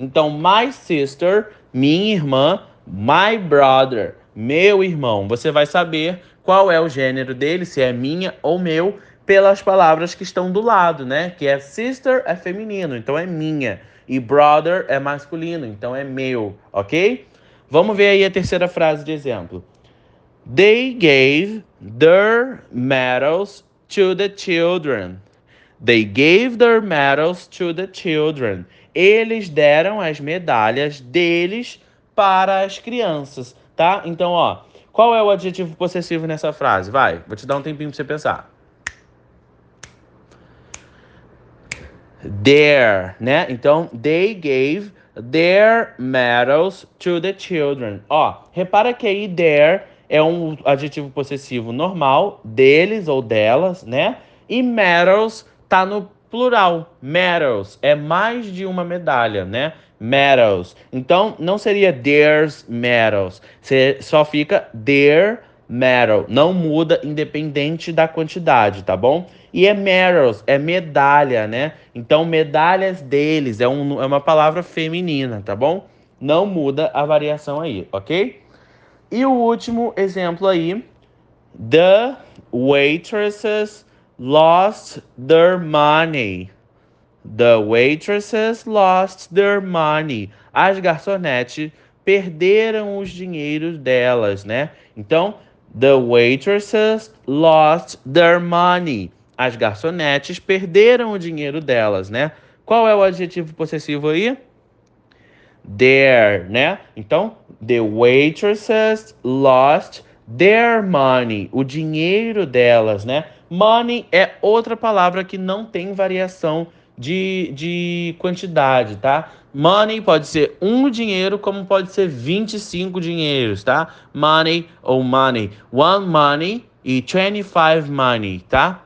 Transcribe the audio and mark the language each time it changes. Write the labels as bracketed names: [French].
[Portuguese] Então, [English] my sister, [Portuguese] minha irmã, [English] my brother, [Portuguese] meu irmão. Você vai saber qual é o gênero dele, se é minha ou meu, pelas palavras que estão do lado, né? Que é sister é feminino, então é minha. E brother é masculino, então é meu, ok? Vamos ver aí a terceira frase de exemplo. [English] They gave their medals to the children. They gave their medals to the children. [Portuguese] Eles deram as medalhas deles para as crianças, tá? Então, ó, qual é o adjetivo possessivo nessa frase? Vai, vou te dar um tempinho para você pensar. There, né? [English] Então, they gave their medals to the children. [Portuguese] Ó, repara que aí there é um adjetivo possessivo normal, deles ou delas, né? E medals tá no plural. Medals é mais de uma medalha, né? Medals. Então, não seria [English] theirs medals. [Portuguese] Você só fica [English] their medal. [Portuguese] Não muda independente da quantidade, tá bom? E é medals, é medalha, né? Então, medalhas deles é uma palavra feminina, tá bom? Não muda a variação aí, ok? E o último exemplo aí. [English] The waitresses lost their money. The waitresses lost their money. [Portuguese] As garçonetes perderam os dinheiros delas, né? [English] Então, the waitresses lost their money. [Portuguese] As garçonetes perderam o dinheiro delas, né? Qual é o adjetivo possessivo aí? Their, né? [English] Então, the waitresses lost their money. [Portuguese] O dinheiro delas, né? Money é outra palavra que não tem variação de quantidade, tá? Money pode ser um dinheiro, como pode ser 25 dinheiros, tá? Money ou money. [English] One money. [Portuguese] E 25 money, tá?